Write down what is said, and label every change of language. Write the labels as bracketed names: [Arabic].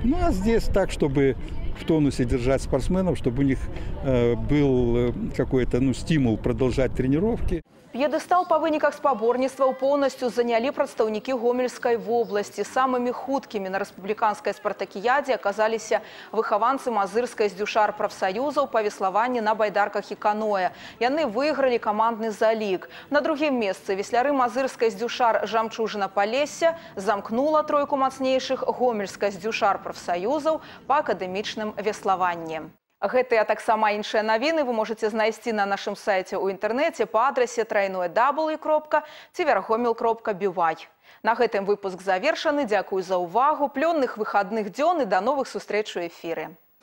[Russian] Ну, а здесь так, чтобы в тонусе держать спортсменов, чтобы у них был какой-то стимул продолжать тренировки. [Belarusian] П'едэстал па выніках спаборніцтваў поўнасцю занялі прадстаўнікі Гомельскай вобласці. Самымі хуткімі на рэспубліканскай спартакіядзе аказаліся выхаванцы Мазырскай здюшар прафсаюзаў па веславанні на байдарках і каноэ. Яны выйгралі камандны залік. На другім месцы весляры Мазырскай здюшар Жамчужына Палесся замкнула тройку мацнейшых Гомельскай здюшар прафсаюзаў па акадэмічным веславанні. Гэтыя таксама іншыя навіны вы можаце знайсці на нашым сайце ў інтэрнэце па адрасе www.tvergomel.by. На гэтым выпуск завершаны. Дзякую за ўвагу. Плённых выхадных дзён і да новых сустрэч у эфіры.